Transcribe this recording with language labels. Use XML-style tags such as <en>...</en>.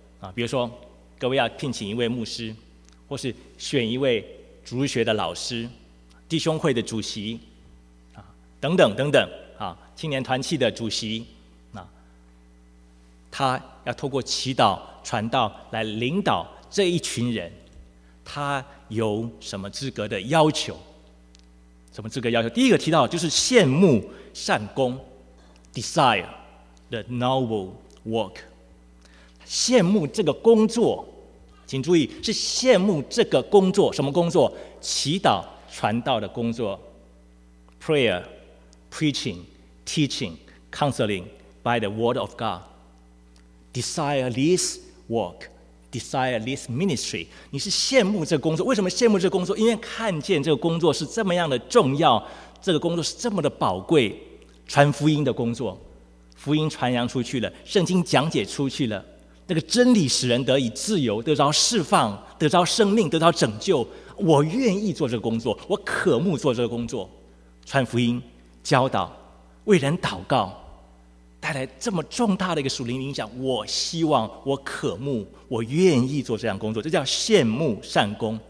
<zh>啊，比如说各位要聘请一位牧师，或是选一位主日学的老师、弟兄会的主席，啊，等等等等，啊，青年团契的主席，啊，他要透过祈祷传道来领导这一群人，他有什么资格的要求？什么资格要求？第一个提到就是羡慕善功 ，</zh> <en>desire the noble work。</en> <zh>羡慕这个工作，请注意是羡慕这个工作，什么工作？祈祷传道的工作</zh> <en>，prayer, preaching, teaching, counseling by the word of God。 Desire this work. Desire this ministry，</en> <zh>你是羡慕这个工作。为什么羡慕这个工作？因为看见这个工作是这么样的重要，这个工作是这么的宝贵，传福音的工作，福音传扬出去了，圣经讲解出去了，那个真理使人得以自由，得到释放，得到生命，得到拯救，我愿意做这个工作，我渴慕做这个工作，传福音，教导，为人祷告，带来这么重大的一个属灵影响，我希望，我渴慕，我愿意做这样工作，这叫羡慕善工。</zh>